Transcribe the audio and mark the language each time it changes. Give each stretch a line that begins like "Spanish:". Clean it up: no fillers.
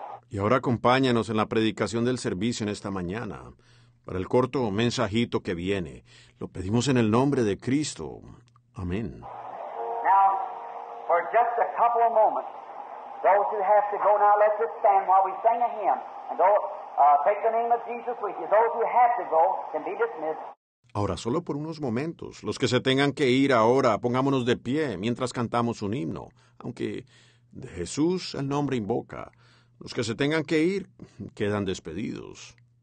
Spanish: Y ahora acompáñanos en la predicación del servicio en esta mañana, para el corto mensajito que viene. Lo pedimos en el nombre de Cristo. Amén.
English: Now, for just a couple of moments, those who have to go now, let's just stand while we sing a hymn. And take the name of Jesus with you. Those who have to go can be dismissed.
Spanish: Ahora, solo por unos momentos, los que se tengan que ir ahora, pongámonos de pie mientras cantamos un himno, aunque de Jesús el nombre invoca. Los que se tengan que ir, quedan despedidos.